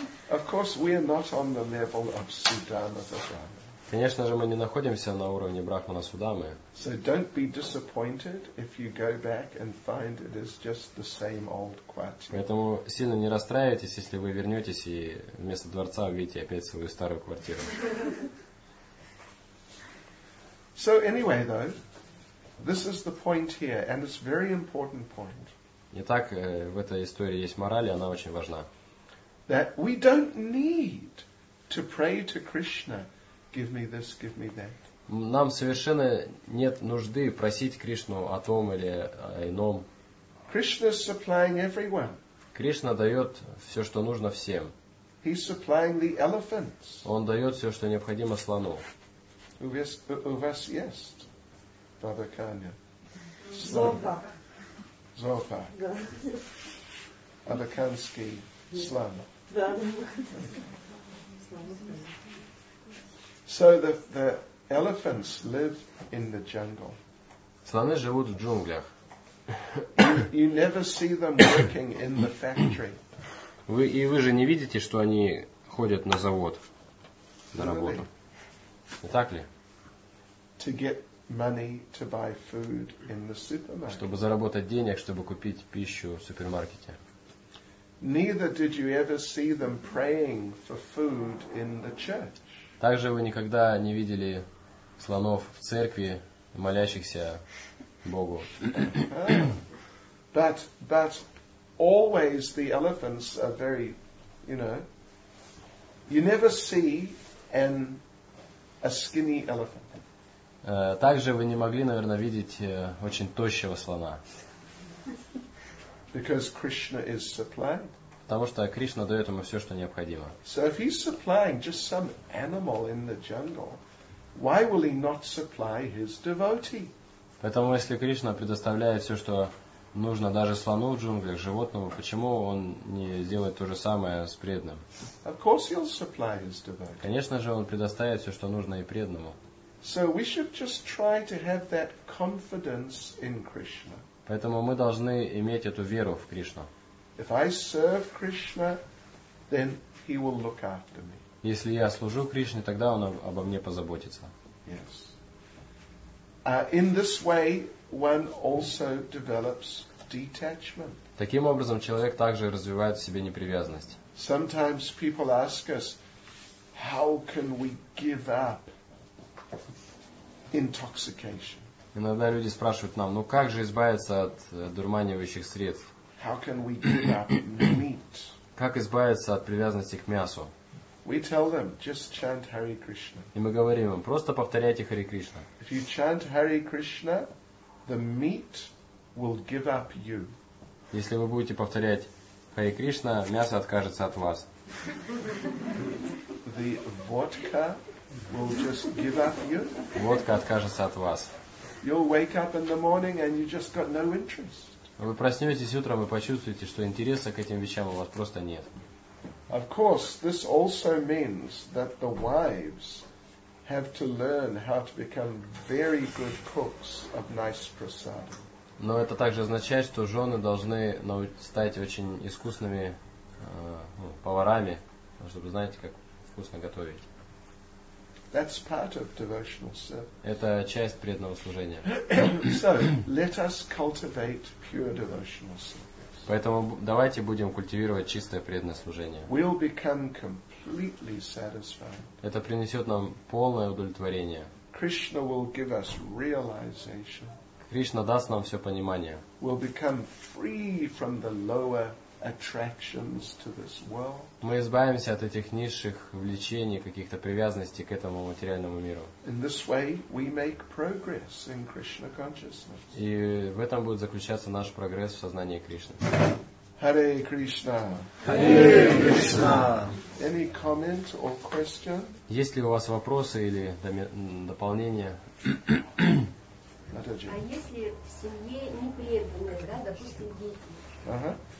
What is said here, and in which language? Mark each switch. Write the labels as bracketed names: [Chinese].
[English] Of course, we are not on the level of Sudama. [Russian] Конечно же, мы не находимся на уровне Брахмана Судамы. [English] So don't be disappointed if you go back and find it is just the same old quartier. [Russian] Поэтому сильно не расстраивайтесь, если вы вернетесь и вместо дворца увидите опять свою старую квартиру. [English] So anyway, though, this is the point here, and it's a very important point. [Russian] Итак, в этой истории есть мораль, и она очень важна. [English] That we don't need to pray to Krishna, give me this, give me that. [Russian] Нам совершенно нет нужды просить Кришну о том или о ином. [English] Krishna is supplying everyone. [Russian] Кришна дает все, что нужно всем. [English] He's supplying the elephants. [Russian] Он дает все, что необходимо слону. У вас есть Баба Каня? Зопа. Зопа. Да. Абаканский слон. Да. [English] So the elephants live in the jungle. [Russian] Слоны живут в джунглях. [English] You never see them working in the factory. [Russian] Вы же не видите, что они ходят на завод на работу. Не так ли? [English] To get money to buy food in the supermarket. [Russian] Чтобы заработать денег, чтобы купить пищу в супермаркете. [English] Neither did you ever see them praying for food in the church. [Russian] Также вы никогда не видели слонов в церкви, молящихся Богу. [English] But always the elephants are very, you know, you never see a skinny elephant. [Russian] Также вы не могли, наверное, видеть очень тощего слона. [English] Because Krishna is supplying. [Russian] Потому что Кришна дает ему все, что необходимо. [English] So if he's supplying just some animal in the jungle, why will he not supply his devotee? [Russian] Поэтому если Кришна предоставляет все, что нужно даже слону в джунглях, животному, почему он не сделает то же самое с преданным? [English] Of course he'll supply his devotee. [Russian] Конечно же, он предоставит все, что нужно и преданному. [English] So we should just try to have that confidence in Krishna. [Russian] Поэтому мы должны иметь эту веру в Кришну. [English] If I serve Krishna, then he will look after me. [Russian] Если я служу Кришне, тогда он обо мне позаботится. [English] Yes. In this way, one also develops detachment. [Russian] Таким образом, человек также развивает в себе непривязанность. [English] Sometimes people ask us, how can we give up intoxication? [Russian] Иногда люди спрашивают нам, ну как же избавиться от дурманивающих средств? [English] How can we give up meat? [Russian] Как избавиться от привязанности к мясу? [English] We tell them, just chant Hare Krishna. [Russian] И мы говорим им, просто повторяйте Hare Krishna. [English] If you chant Hare Krishna, the meat will give up you. [Russian] Если вы будете повторять Hare Krishna, мясо откажется от вас. [English] The vodka will just give up you. [Russian] Водка откажется от вас. [English] You'll wake up in the morning and you just got no interest. [Russian] Вы проснетесь утром и почувствуете, что интереса к этим вещам у вас просто нет. [English] Of course, this also means that the wives have to learn how to become very good cooks of nice prasad. [Russian] Но это также означает, что жены должны стать очень искусными поварами, чтобы знать, как вкусно готовить. [English] That's part of devotional service. [Russian] Это часть преданного служения. [English] So, let us cultivate pure devotional service. [Russian] Поэтому давайте будем культивировать чистое преданное служение. [English] We'll become completely satisfied. [Russian] Это принесет нам полное удовлетворение. [English] Krishna will give us realization. [Russian] Кришна даст нам все понимание. [English] We'll become free from the lower attractions to this world. [Russian] Мы избавимся от этих низших влечений, каких-то привязанностей к этому материальному миру. [English] In this way we make progress in Krishna consciousness. [Russian] И в этом будет заключаться наш прогресс в сознании Кришны. [Sanskrit] Hare Krishna. Hare Krishna. [English] Any comment or question? [Russian] Есть ли у вас вопросы или дополнения? А если в семье непреданные, да, допустим, дети?